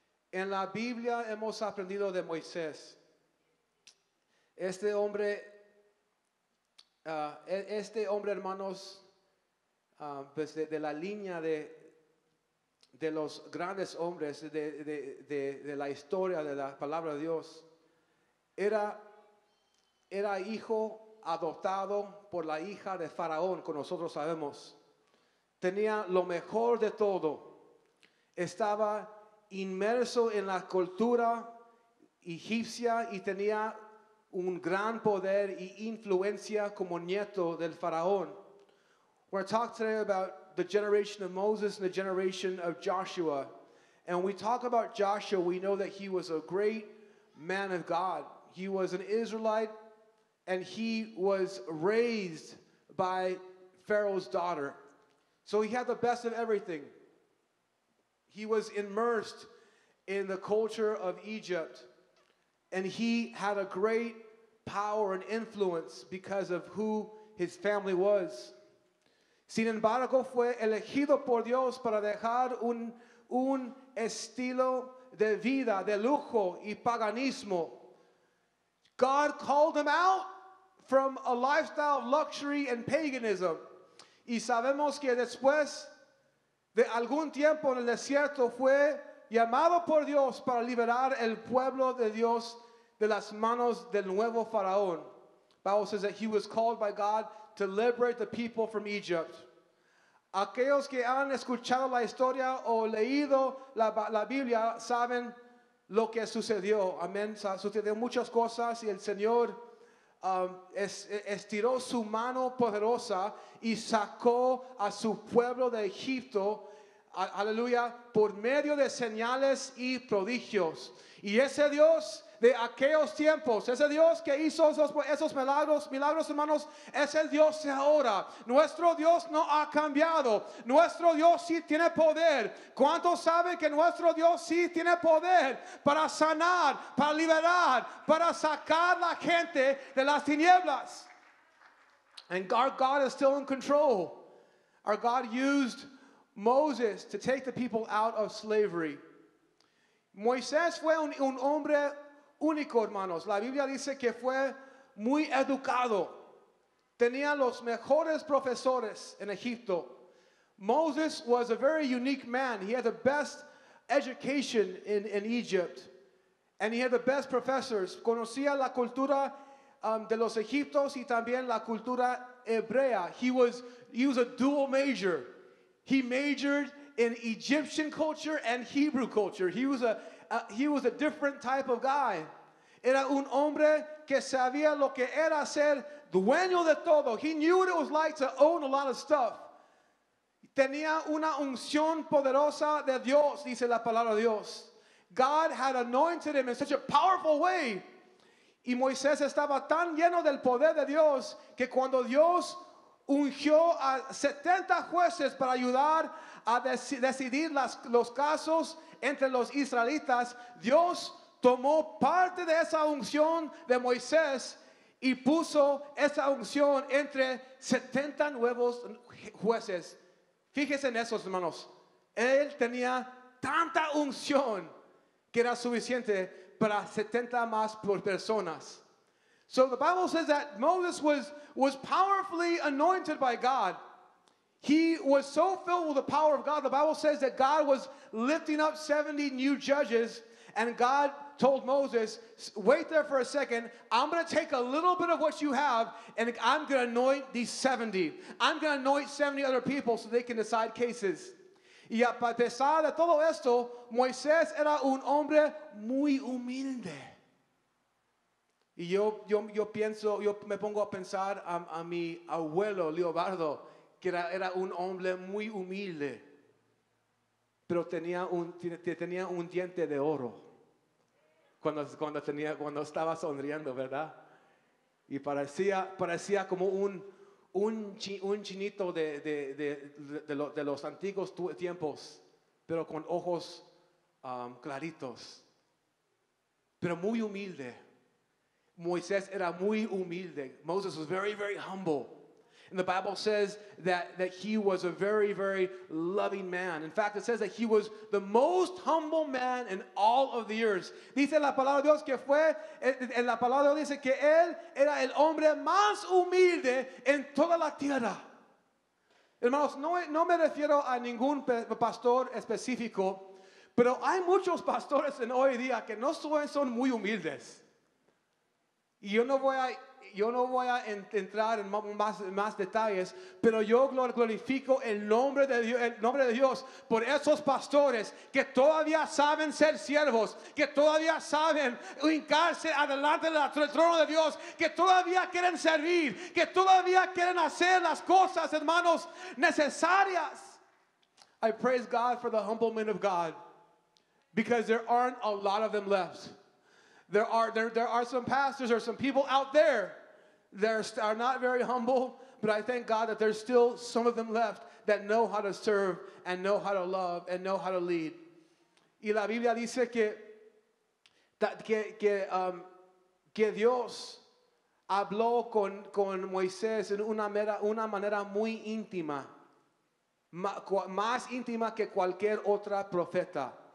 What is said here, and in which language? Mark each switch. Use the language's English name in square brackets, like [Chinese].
[Spanish] En la Biblia hemos aprendido de Moisés. Este hombre, hermanos, pues de la línea de los grandes hombres de la historia de la palabra de Dios, era hijo adoptado por la hija de Faraón, como nosotros sabemos. Tenía lo mejor de todo. Estaba inmerso en la cultura egipcia y tenía un gran poder y influencia como nieto del Faraón. [English] We're talking today about the generation of Moses and the generation of Joshua. And when we talk about Joshua, we know that he was a great man of God. He was an Israelite, and he was raised by Pharaoh's daughter. So he had the best of everything. He was immersed in the culture of Egypt, and he had a great power and influence because of who his family was. [Spanish] Sin embargo, fue elegido por Dios para dejar un estilo de vida, de lujo y paganismo. [English] God called him out from a lifestyle of luxury and paganism. [Spanish] Y sabemos que después de algún tiempo en el desierto, fue llamado por Dios para liberar el pueblo de Dios de las manos del nuevo faraón. [English] Bible says that he was called by God to liberate the people from Egypt. [Spanish] Aquellos que han escuchado la historia o leído la Biblia saben lo que sucedió. Amén. Sucedió muchas cosas y el Señor estiró su mano poderosa y sacó a su pueblo de Egipto, aleluya, por medio de señales y prodigios. Y ese Dios de aquellos tiempos, ese Dios que hizo esos milagros, hermanos, es el Dios de ahora. Nuestro Dios no ha cambiado. Nuestro Dios sí tiene poder. ¿Cuántos saben que nuestro Dios sí tiene poder para sanar, para liberar, para sacar la gente de las tinieblas? [English] And our God is still in control. Our God used Moses to take the people out of slavery. [Spanish] Moisés fue un hombre único, hermanos. La Biblia dice que fue muy educado. Tenía los mejores profesores en Egipto. [English] Moses was a very unique man. He had the best education in Egypt. And he had the best professors. [Spanish] Conocía la cultura de los egiptos y también la cultura hebrea. [English] He was a dual major. He majored in Egyptian culture and Hebrew culture. He was a different type of guy. [Spanish] Era un hombre que sabía lo que era ser dueño de todo. [English] He knew what it was like to own a lot of stuff. [Spanish] Tenía una unción poderosa de Dios, [English] dice la palabra de Dios. God had anointed him in such a powerful way. [Spanish] Y Moisés estaba tan lleno del poder de Dios que cuando Dios ungió a 70 jueces para ayudar a decidir los casos entre los israelitas, Dios tomó parte de esa unción de Moisés y puso esa unción entre 70 nuevos jueces. Fíjense en eso, hermanos. Él tenía tanta unción que era suficiente para 70 más por personas. [English] So the Bible says that Moses was powerfully anointed by God. He was so filled with the power of God. The Bible says that God was lifting up 70 new judges, and God told Moses, wait there for a second. I'm going to take a little bit of what you have, and I'm going to anoint these 70. I'm going to anoint 70 other people so they can decide cases. [Spanish] Y a pesar de todo esto, Moisés era un hombre muy humilde. Y yo me pongo a pensar a mi abuelo, Leobardo, que era un hombre muy humilde, pero tenía un diente de oro cuando estaba sonriendo, ¿verdad? Y parecía como un chinito de los antiguos tiempos, pero con ojos claritos, pero muy humilde. Moisés era muy humilde. [English] Moses was very, very humble. And the Bible says that he was a very, very loving man. In fact, it says that he was the most humble man in all of the earth. [Spanish] Dice la palabra de Dios que fue, en la palabra de Dios dice que él era el hombre más humilde en toda la tierra. Hermanos, no me refiero a ningún pastor específico, pero hay muchos pastores en hoy día que no son muy humildes. Y yo no voy a entrar en más detalles, pero yo glorifico el nombre de Dios por esos pastores que todavía saben ser siervos, que todavía saben hincarse adelante del trono de Dios, que todavía quieren servir, que todavía quieren hacer las cosas, hermanos, necesarias. [English] I praise God for the humble men of God, because there aren't a lot of them left. There are some pastors or some people out there that are not very humble, but I thank God that there's still some of them left that know how to serve and know how to love and know how to lead. [Spanish] Y la Biblia dice que Dios habló con Moisés en una manera muy íntima, más íntima que cualquier otra profeta.